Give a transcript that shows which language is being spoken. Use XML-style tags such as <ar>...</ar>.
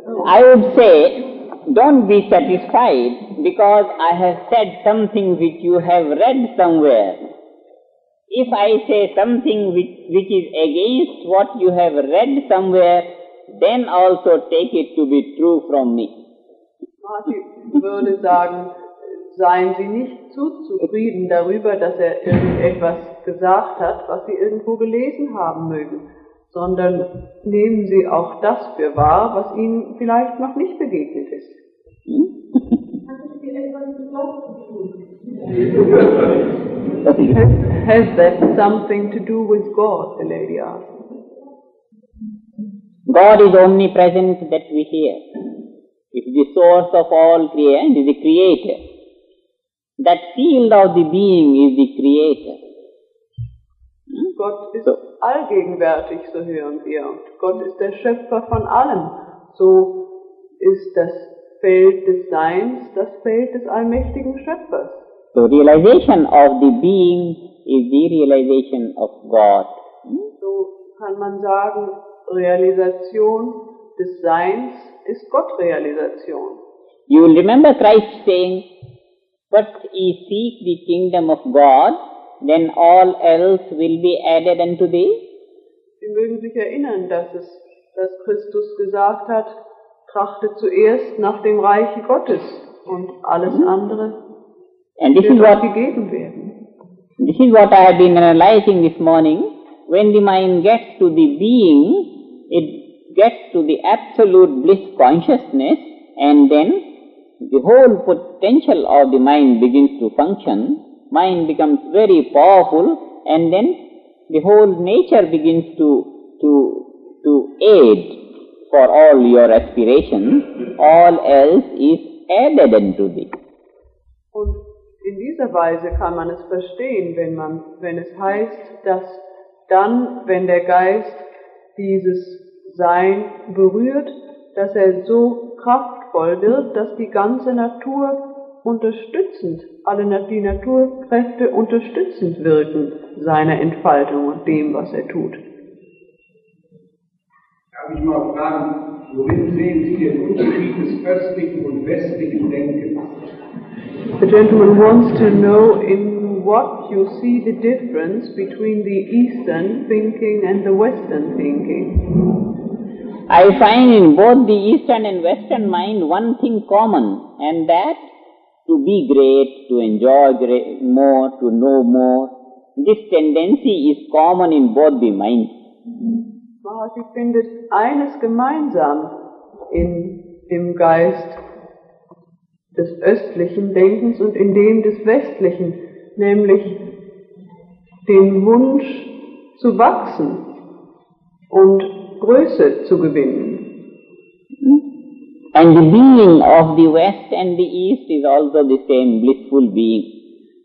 <en>I would say, don't be satisfied because I have said something which you have read somewhere. If I say something which is against what you have read somewhere, then also take it to be true from me.</en> <de>Martin würde sagen, seien Sie nicht zu zufrieden darüber, dass irgendetwas gesagt hat, was Sie irgendwo gelesen haben mögen, sondern nehmen Sie auch das für wahr, was Ihnen vielleicht noch nicht begegnet ist.</de> <en>Has that something to do with God, the lady asked. God is omnipresent that we hear. It is the source of all creation, is the creator. That field of the being is the creator.</en> <de>Gott ist so allgegenwärtig, so hören wir. Und Gott ist der Schöpfer von allem. So ist das Feld des Seins das Feld des allmächtigen Schöpfers.</de> <en>So realization of the being is the realization of God.</en> <de>So kann man sagen, Realisation des Seins ist Gottrealisation.</de> <en>You will remember Christ saying, but ye seek the kingdom of God, then all else will be added unto thee.</en> <de>Sie mögen sich erinnern, dass Christus gesagt hat, trachte zuerst nach dem Reich Gottes und alles andere</de> <en>and this</en> <de>wird</de> <en>is what,</en> <de>gegeben werden.</de> <en>This is what I have been analyzing this morning. When the mind gets to the being, it gets to the absolute bliss consciousness, and then the whole potential of the mind begins to function, mind becomes very powerful, and then the whole nature begins to aid for all your aspirations, all else is added unto thee.</en> <de>Und in dieser Weise kann man es verstehen, wenn es heißt, dass dann, wenn der Geist dieses Sein berührt, dass so kraftvoll wird, dass die ganze Natur unterstützend, alle die Naturkräfte unterstützend wirken seiner Entfaltung und dem, was tut. Darf ich mal fragen, worin sehen Sie den Unterschied des östlichen und westlichen Denkens?</de> <en>The gentleman wants to know in what you see the difference between the eastern thinking and the western thinking. I find in both the eastern and western mind one thing common, and that to be great, to enjoy more, to know more. This tendency is common in both the minds.</en> <de>Maharshi findet eines gemeinsam in dem Geist des östlichen Denkens und in dem des westlichen, nämlich den Wunsch zu wachsen und Größe zu gewinnen.</de> <en>And the being of the West and the East is also the same blissful being.</en>